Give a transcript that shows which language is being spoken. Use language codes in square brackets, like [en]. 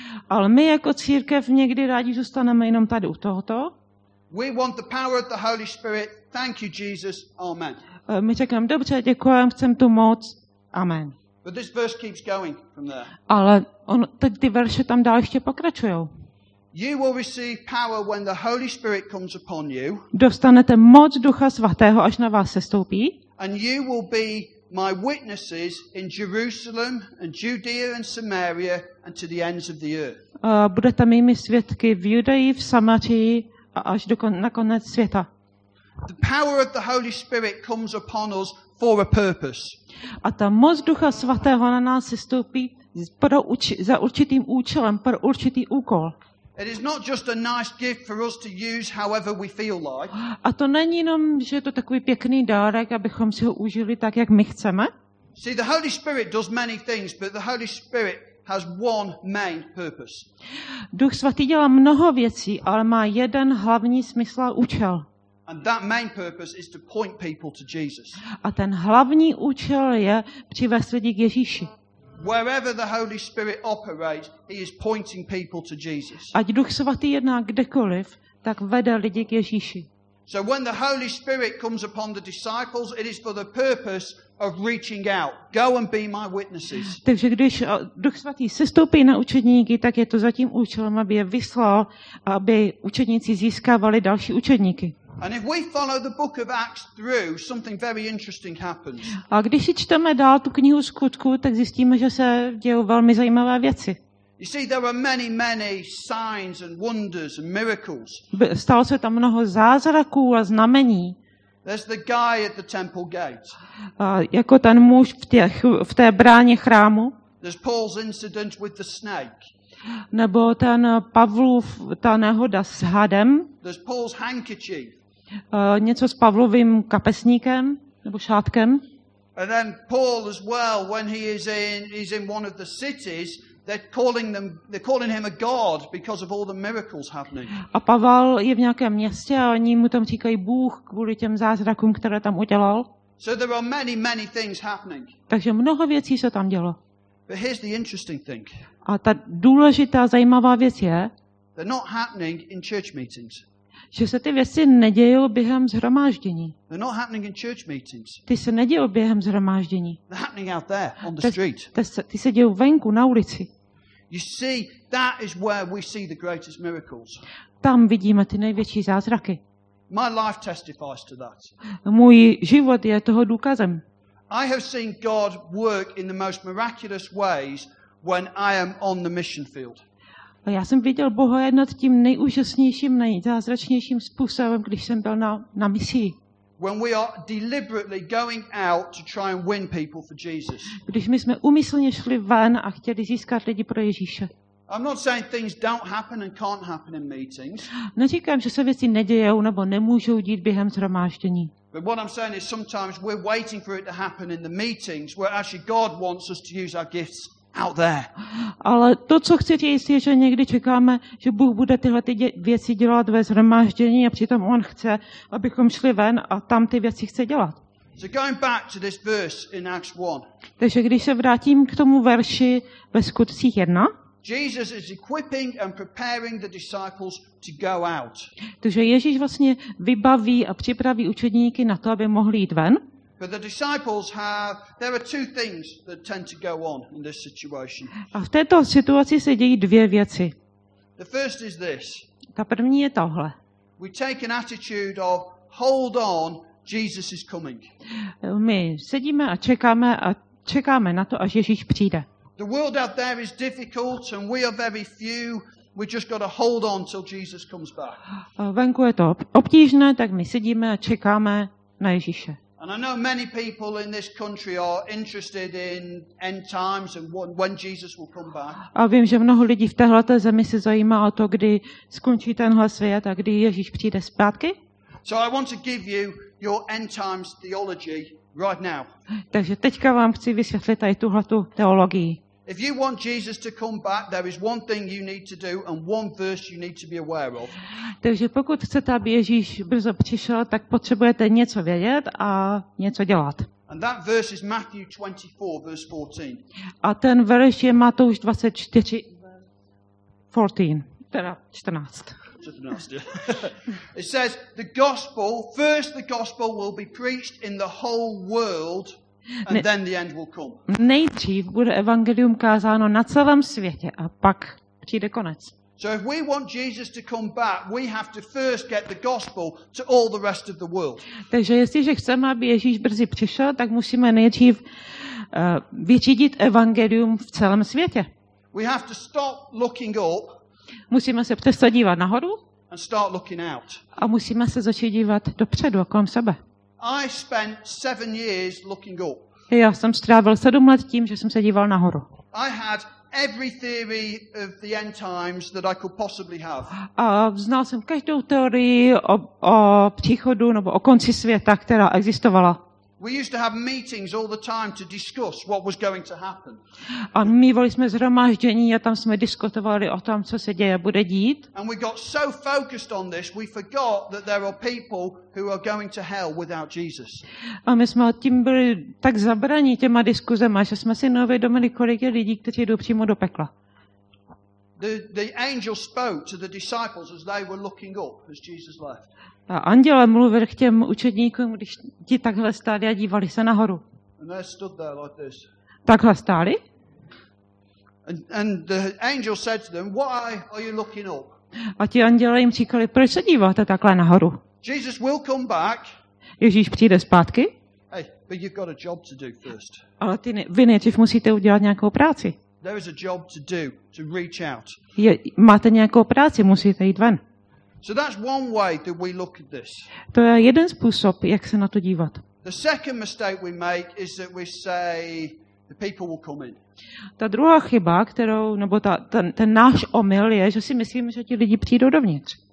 [cs] Ale my jako církev někdy rádi zůstaneme jenom tady u tohoto. [en] We want the power of the Holy Spirit. Thank you, Jesus. Amen. [cs] My řekneme, dobře, děkujem, chcem tu moc. Amen. [en] But this verse keeps going from there. [cs] Ale on, teď ty verše tam dál ještě pokračujou. [en] You will receive power when the Holy Spirit comes upon you. [cs] Dostanete moc Ducha svatého, až na vás sestoupí. [en] And you will be my witnesses in Jerusalem and Judea and Samaria and to the ends of the earth. [cs] Budete mými svědky v Judeji, v Samarii, a až do nakonec světa. [en] The power of the Holy Spirit comes upon us for a purpose. [cs] A ta moc Ducha svatého na nás sestoupí za určitým účelem, pro určitý úkol. [en] It is not just a nice gift for us to use however we feel like. [cs] A to není jenom, že je to takový pěkný dárek, abychom si ho užili tak, jak my chceme. [en] See, the Holy Spirit does many things, but the Holy Spirit has one main purpose. [cs] Duch svatý dělá mnoho věcí, ale má jeden hlavní smysl a účel. [en] And that main purpose is to point people to Jesus. [cs] A ten hlavní účel je přivést lidi k Ježíši. [en] Wherever the Holy Spirit operates, he is pointing people to Jesus. [cs] Ať Duch svatý jedná kdekoliv, tak vede lidi k Ježíši. [en] So when the Holy Spirit comes upon the disciples, it is for the purpose of reaching out. Go and be my witnesses. [cs] Takže když Duch svatý sestoupí na učedníky, tak je to za tím účelem, aby je vyslal, aby učedníci získávali další učedníky. [en] And if we follow the book of Acts through, something very interesting happens. [cs] A když si čteme dál tu knihu Skutků, tak zjistíme, že se dějí velmi zajímavé věci. [en] You see, there were many, many signs and wonders and miracles. [cs] Stalo se tam mnoho zázraků a znamení. [en] There's the guy at the temple gate. [cs] Jako ten muž v té bráně chrámu. [en] There's Paul's incident with the snake. [cs] Nebo ten Pavlův, ta nehoda s hadem. [en] There's Paul's handkerchief. [cs] Něco s Pavlovým kapesníkem nebo šátkem. [en] And then Paul as well, when he's in one of the cities, they're calling him a god because of all the miracles happening. [cs] A Pavel je v nějakém městě a oni mu tam říkají Bůh kvůli těm zázrakům, které tam udělal. [en] So there are many, many things happening. [cs] Takže mnoho věcí se tam dělo. [en] But here's the interesting thing. [cs] A ta důležitá zajímavá věc je, [en] they're not happening in church meetings. [cs] Že se ty věci nedějí během zhromáždění. [en] They're not happening in church meetings. [cs] Ty se nedějí během zhromáždění. [en] They're happening out there on the street. [cs] Ty se dějí venku na ulici. [en] You see, that is where we see the greatest miracles. [cs] Tam vidíme ty největší zázraky. [en] My life testifies to that. [cs] Můj život je toho důkazem. [en] I have seen God work in the most miraculous ways when I am on the mission field. [cs] A já jsem viděl Boha jednat tím nejúžasnějším, nejzázračnějším způsobem, když jsem byl na misii. [en] When we are deliberately going out to try and win people for Jesus. [cs] Když my jsme úmyslně šli ven a chtěli získat lidi pro Ježíše. [en] I'm not saying things don't happen and can't happen in meetings. [cs] Neříkám, že se věci nedějou nebo nemůžou dít během shromáždění. [en] But what I'm saying is sometimes we're waiting for it to happen in the meetings where actually God wants us to use our gifts out there. [cs] Ale to, co chci říct, je, že někdy čekáme, že Bůh bude tyhle ty věci dělat ve shromáždění a přitom on chce, abychom šli ven a tam ty věci chce dělat. [en] So going back to this verse in Acts 1. [cs] Takže když se vrátím k tomu verši ve Skutcích 1. [en] Jesus is equipping and preparing the disciples to go out. [cs] Takže Ježíš vlastně vybaví a připraví učedníky na to, aby mohli jít ven. [en] But the disciples have there are two things that tend to go on in this situation. [cs] A v této situaci se dějí dvě věci. [en] The first is this. [cs] Ta první je tohle. [en] We take an attitude of hold on, Jesus is coming. [cs] My sedíme a čekáme na to, až Ježíš přijde. [en] The world out there is difficult and we are very few. We just got to hold on till Jesus comes back. [cs] Venku je to obtížné, tak my sedíme a čekáme na Ježíše. [en] And I know many people in this country are interested in end times and when Jesus will come back. [cs] A vím, že mnoho lidí v téhleté zemi se zajímá o to, kdy skončí tenhle svět a kdy Ježíš přijde zpátky. [en] So I want to give you your end times theology right now. [cs] Takže teďka vám chci vysvětlit tady tuhletu teologii. [en] If you want Jesus to come back, there is one thing you need to do and one verse you need to be aware of. [cs] Takže pokud chcete, aby Ježíš brzo přišel, tak potřebujete něco vědět a něco dělat. [en] And that verse is Matthew 24 verse 14. [cs] A ten verš je Matouš 24 14. [en] It says the gospel, first the gospel will be preached in the whole world and then the end will come. [cs] Nejdřív bude evangelium kázáno na celém světě a pak přijde konec. [en] So if we want Jesus to come back, we have to first get the gospel to all the rest of the world. [cs] Takže jestliže chceme, aby Ježíš brzy přišel, tak musíme nejdřív vyčídit evangelium v celém světě. [en] We have to stop looking up. [cs] Musíme se přestat dívat nahoru [en] and start looking out. [cs] A musíme se začít dívat dopředu kolem sebe. [en] I spent 7 years looking up. [cs] Já jsem strávil 7 let tím, že jsem se díval nahoru. [en] I had every theory of the end times that I could possibly have. [cs] A znal jsem každou teorii o příchodu nebo o konci světa, která existovala. [en] We used to have meetings all the time to discuss what was going to happen. [cs] A mívali jsme zhromáždění a tam jsme diskutovali o tom, co se děje, bude dít. [en] And we got so focused on this, we forgot that there are people who are going to hell without Jesus. [cs] A my jsme tím byli tak zabraní těma diskuzema, že jsme si neuvědomili, kolik je lidí, kteří jdou přímo do pekla. [en] The angel spoke to the disciples as they were looking up as Jesus left. [cs] A anděl mluvil k těm učedníkům, když ti takhle stáli a dívali se nahoru. [en] And they stood there like this. [cs] Takhle stáli. [en] And the angel said to them, "Why are you looking up?" [cs] A ti anděle jim říkali, proč se díváte takhle nahoru? [en] Jesus will come back. [cs] Ježíš přijde zpátky. [en] Hey, but you've got a job to do first. [cs] Ale vy nejdřív musíte udělat nějakou práci. [en] There is a job to do to reach out. [cs] Je, máte nějakou práci, musíte jít ven. [en] So that's one way that we look at this. [cs] To je jeden způsob, jak se na to dívat. [en] The second mistake we make is that we say the people will come in. [cs] Ta druhá chyba, kterou nebo ten náš omyl je, že si myslíme, že ti lidi přijdou dovnitř.